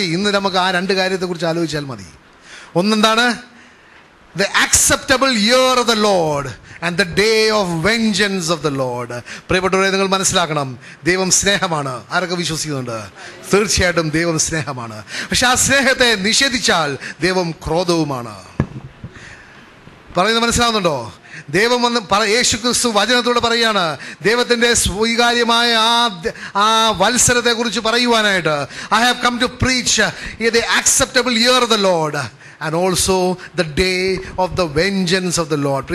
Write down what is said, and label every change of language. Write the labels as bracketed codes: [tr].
[ml] ഇന്ന് നമുക്ക് ആ രണ്ട് കാര്യത്തെ കുറിച്ച് ആലോചിച്ചാൽ മതി. ഒന്നെന്താണ്? [en] The acceptable year of the Lord and the day of vengeance of the Lord. [ml] പ്രിയപ്പെട്ടവരെ, നിങ്ങൾ മനസ്സിലാക്കണം, ദൈവം സ്നേഹമാണ്. ആരൊക്കെ വിശ്വസിക്കുന്നുണ്ട്? തീർച്ചയായിട്ടും ദൈവം സ്നേഹമാണ്. പക്ഷെ ആ സ്നേഹത്തെ നിഷേധിച്ചാൽ ദൈവം ക്രോധവുമാണ്. പറയുന്നത് മനസ്സിലാവുന്നുണ്ടോ? ദൈവം വന്ന് യേശു ക്രിസ്തു വചനത്തോടെ പറയുകയാണ്, ദൈവത്തിന്റെ സ്വീകാര്യമായ ആ വത്സരത്തെ കുറിച്ച് പറയുവാനായിട്ട്, [en] I have come to preach the acceptable year of the Lord [ml] and also the day of the vengeance of the Lord.